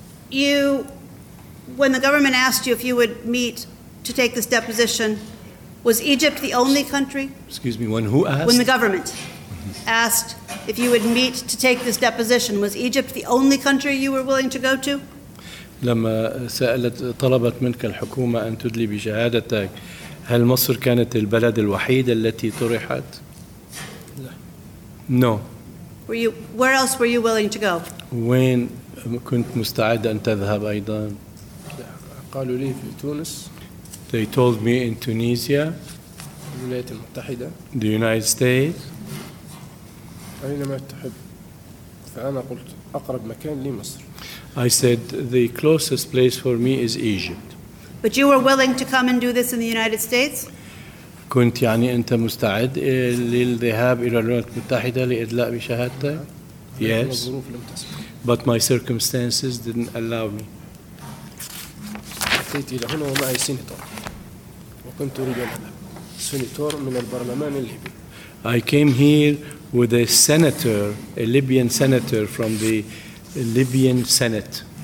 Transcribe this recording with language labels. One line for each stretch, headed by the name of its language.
English: When the government asked you if you would meet to take this deposition, was Egypt the only country? Excuse me, when who asked? When the government asked if you would meet to take this deposition, was Egypt the only country you were willing to go to?
Arabic: لما سألت طلبت منك الحكومة أن تدلي بشهادتك، هل مصر كانت البلد الوحيد التي طرحت؟ لا.
English: No. Where else were you willing to go?
Arabic: وين كنت مستعد أن تذهب أيضا؟ قالوا لي في تونس.
English: They told me in Tunisia.
Arabic: الولايات المتحدة.
English: The United States.
Arabic: أينما تحب. فأنا قلت أقرب مكان لي مصر.
English: I said the closest place for me is Egypt. But you were willing to come and do this in the United States?
Arabic: كنت يعني أنت مستعد للذهاب إلى الولايات المتحدة لإدلاء بشهادتك؟
English: Yes. But my circumstances didn't allow me.
Arabic: أتيت إلى هنا ومعي سينيتور. وكنت أريد أن سينيتور من البرلمان الليبي.
English: I came here with a senator, a Libyan senator from the Libyan Senate.